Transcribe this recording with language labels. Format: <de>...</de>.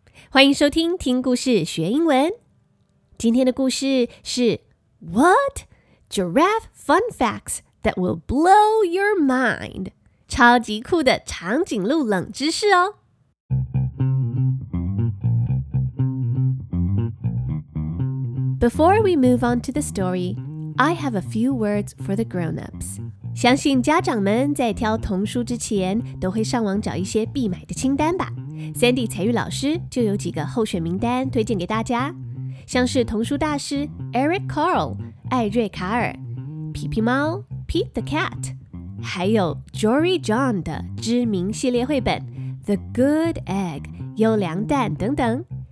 <zh>欢迎收听听故事学英文。今天的故事是 What?</zh> <en>Giraffe fun facts that will blow your mind.</en> <zh>超级酷的长颈鹿冷知识哦。</zh> <en>Before we move on to the story, I have a few words for the grown-ups.</en> <zh>相信家长们在挑童书之前都会上网找一些必买的清单吧。 Sandy 彩玉老师就有几个候选名单推荐给大家，像是童书大师 Eric Carle 艾瑞卡尔、皮皮猫 Pete the Cat， 还有 Jory John 的知名系列绘本 The Good Egg 优良蛋等等。</zh>